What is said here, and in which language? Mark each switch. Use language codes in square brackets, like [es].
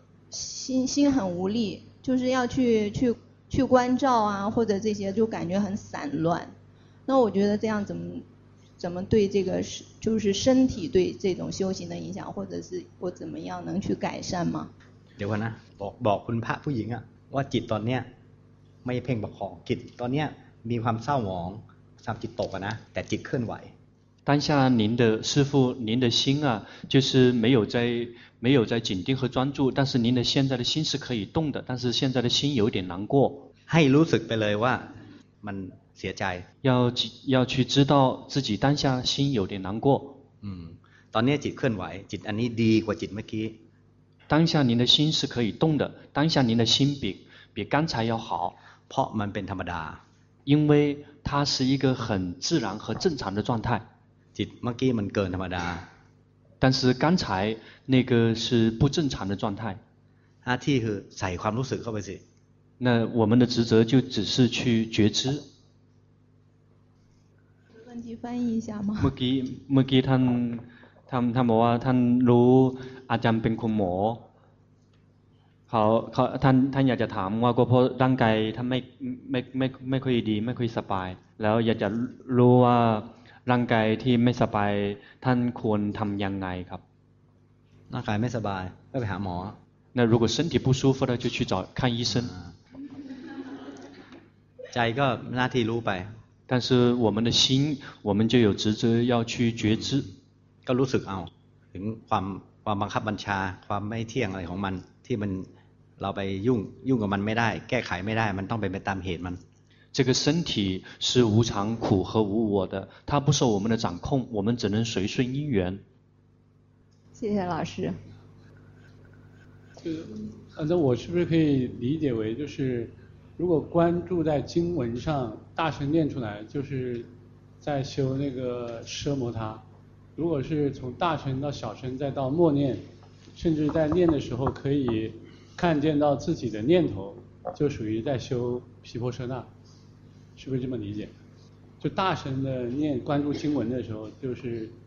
[zh] 心很无力就是要去关照啊或者这些就感觉很散乱那我觉得这样怎么对这个就是身体对这种修行的影响或者是我怎么样能去改善吗 [th] เดี๋ยวนะบอกคุณพระผู้หญิงอะว่าจิตตอนเนี้ยไม่เพ่งประคองจิตตอนเนี้ยมีความเศร้าหมองทำจิตตกอะนะแต่จิตเคลื่อนไหว [zh] 当下您的师父您的心啊就是没有在紧盯和专注但是您的现在的心是可以动的但是现在的心有点难过 [th] ให้รู้สึกไปเลยว่ามันเสียใจ [zh] 要去知道自己当下心有点难过 [th] ตอนเนี้ยจิตเคลื่อนไหวจิตอันนี้ดีกว่าจิตเมื่อกี้ [zh] 当下您的心是可以动的当下您的心比刚才要好 [th] เพราะมันเป็นธรรมดา [zh] 因为它是一个很自然和正常的状态 [th] จิตเมื่อกี้มันเกินธรรมดา [zh] 但是刚才那个是不正常的状态 [th] หน้าที่คือใส่ความรู้สึกเข้าไปสิ [zh] 那我们的职责就只是去觉知问题翻译一下吗 [th] เมื่อกี้ท่านบอกว่าท่านรู้อาจารย์เป็นคุณหมอเขาท่านอยากจะถามว่าก็เพราะร่างกายท่านไม่ค่อยดีไม่ค่อยสบายแล้วอยากจะรู้ว่าร่างกายที่ไม่สบายท่านควรทำยังไงครับ ร่างกายไม่สบายก็ไปหาหมอ [zh] 那如果身体不舒服了就去找看医生 [th] ใจก็หน้าที่รู้ไป [zh] 但是我们的心我们就有职责要去觉知 [th] ก็รู้สึกเอาถึงความบังคับบัญชาความไม่เที่ยงอะไรของมันที่มันเราไปยุ่งกับมันไม่ได้แก้ไขไม่ได้มันต้องไปตามเหตุมัน [zh] 这个身体是无常苦和无我的它不受我们的掌控我们只能随顺因缘谢谢老师反正我是不是可以理解为就是如果关注在经文上大声念出来就是在修那个奢摩他如果是从大乘到小乘再到默念甚至在念的时候可以看见到自己的念头就属于在修毗婆舍那是不是这么理解就大乘的念关注经文的时候就是